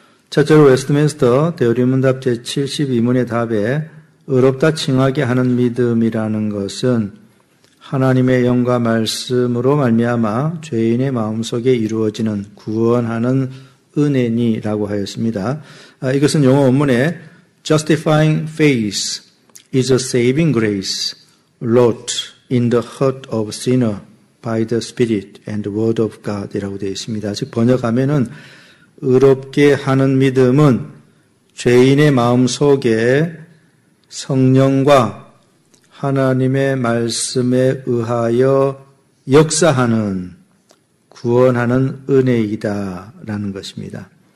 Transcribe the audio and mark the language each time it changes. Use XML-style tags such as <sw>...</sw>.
<ko>첫째로 웨스트민스터 대요리 문답 제72문의 답에 의롭다 칭하게 하는 믿음이라는 것은 하나님의 영과 말씀으로 말미암아 죄인의 마음속에 이루어지는 구원하는 은혜니라고 하였습니다. 이것은 영어 원문에</ko> <en>Justifying faith is a saving grace wrought in the heart of sinner by the Spirit and the Word of God</en> <ko>이라고 되어 있습니다. 즉 번역하면은 의롭게 하는 믿음은 죄인의 마음속에 성령과 하나님의 말씀에 의하여 역사하는 구원하는 은혜이다라는 것입니다.</ko>